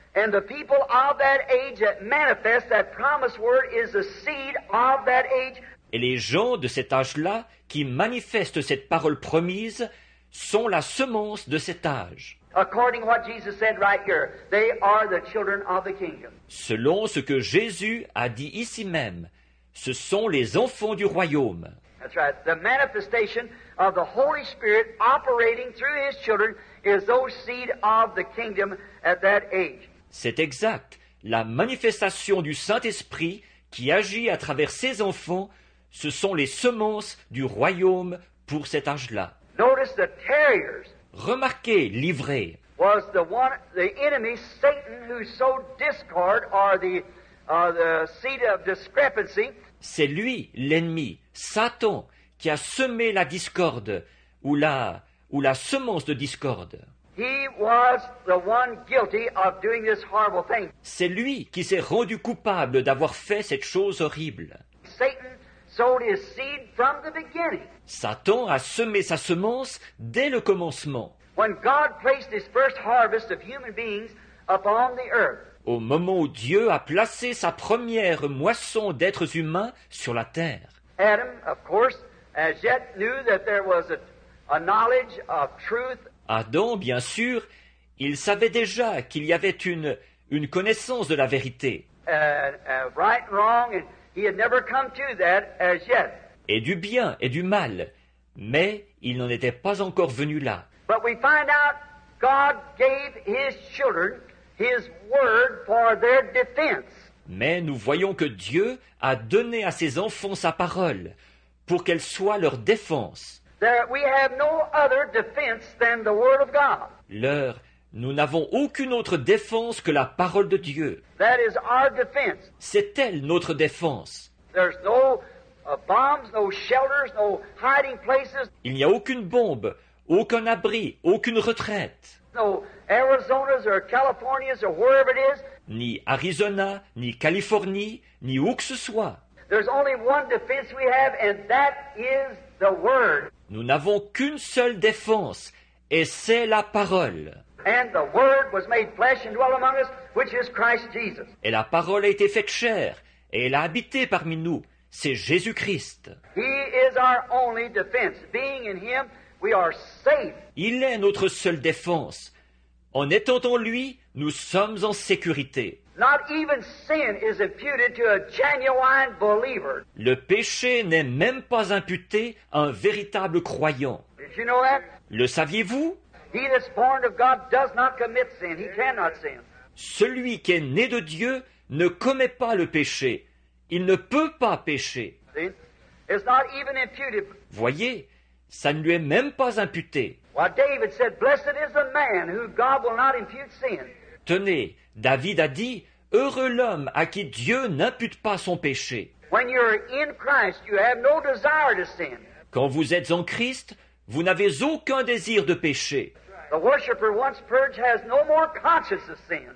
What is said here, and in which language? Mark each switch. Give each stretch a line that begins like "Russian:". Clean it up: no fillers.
English: And the people of that age that manifest that promised word is the seed of that age.
French: Et les gens de cet âge-là qui manifestent cette parole promise sont la semence de cet âge.
English: According to what Jesus said right here, they are the children of the kingdom.
French: Selon ce que Jésus a dit ici même, ce sont les enfants du royaume.
English: That's right. The manifestation of the Holy Spirit operating through his children is those seed of the kingdom at that age.
French: C'est exact. La manifestation du Saint-Esprit qui agit à travers ses enfants, ce sont les semences du royaume pour cet âge-là.
English: Notice the terriers.
French: Remarquez l'ivraie.
English: Was the enemy Satan who sowed discord or the seed of discrepancy?
French: C'est lui l'ennemi, Satan, qui a semé la discorde ou la semence de discorde.
English: He was the one guilty of doing this horrible thing.
French: C'est lui qui s'est rendu coupable d'avoir fait cette chose horrible.
English: Satan sowed his seed from the beginning.
French: Satan a semé sa semence dès le commencement.
English: When God placed his first harvest of human beings upon the earth.
French: Au moment où Dieu a placé sa première moisson d'êtres humains sur la terre.
English: Adam, of course, as yet knew that there was a knowledge of truth.
French: Adam, bien sûr, il savait déjà qu'il y avait une connaissance de la vérité.
English: Right and wrong, and he had never come to that as yet.
French: Et du bien et du mal, mais il n'en était pas encore venu là.
English: But we find out God gave his children his word for their defense.
French: Mais nous voyons que Dieu a donné à ses enfants sa parole pour qu'elle soit leur défense.
English: There we have no other defense than the word of God.
French: Nous n'avons aucune autre défense que la parole de Dieu.
English: That is our defense.
French: C'est elle notre défense.
English: There's no bombs, no shelters, no hiding places.
French: Il n'y a aucune bombe, aucun abri, aucune retraite.
English: No Arizona's or California's or wherever it is.
French: Ni Arizona, ni Californie, ni où que ce soit.
English: There's only one defense we have, and that is the word.
French: Nous n'avons qu'une seule défense, et c'est la parole.
English: And the word was made flesh and dwelt among us, which is Christ Jesus.
French: Et la parole a été faite chair, et elle a habité parmi nous, c'est Jésus-Christ.
English: He is our only defense. Being in him, we are safe.
French: Il est notre seule défense. En étant en lui, nous sommes en sécurité.
English: Not even sin is imputed to a genuine believer.
French: Le péché n'est même pas imputé à un véritable croyant.
English: Did you know that?
French: Le saviez-vous?
English: He that's born of God does not commit sin. He cannot sin.
French: Celui qui est né de Dieu ne commet pas le péché. Il ne peut pas pécher.
English: It's not even imputed.
French: Voyez, ça ne lui est même pas imputé.
English: Well, David said, "Blessed is the man who God will not impute sin."
French: Tenez, David a dit, heureux l'homme à qui Dieu n'impute pas son péché.
English: When you're in Christ, you have no desire to sin.
French: Quand vous êtes en Christ, vous n'avez aucun désir de pécher.
English: The worshipper once purged has no more conscience of sin.